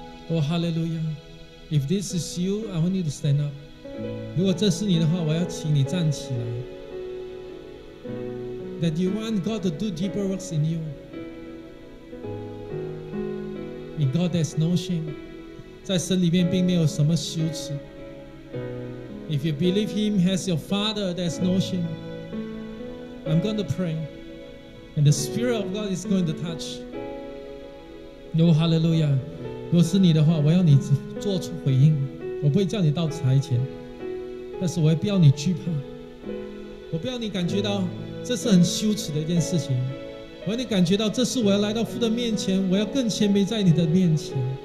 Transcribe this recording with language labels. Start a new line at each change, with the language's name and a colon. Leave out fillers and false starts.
English: Oh, hallelujah. If this is you, I want you to stand up.
Chinese: 如果这是你的话，我要请你站起来。
English: That you want God to do deeper works in you. In God, there's no shame.
Chinese: 在神里面并没有什么羞耻。
English: If you believe Him as your Father, there's no shame. I'm going to pray. And the Spirit of God is going to touch. Oh, hallelujah.
Chinese: 如果是你的话，我要你做出回应。我不会叫你到台前，但是我也不要你惧怕，我不要你感觉到这是很羞耻的一件事情。我要你感觉到这是我要来到父的面前，我要更谦卑在你的面前。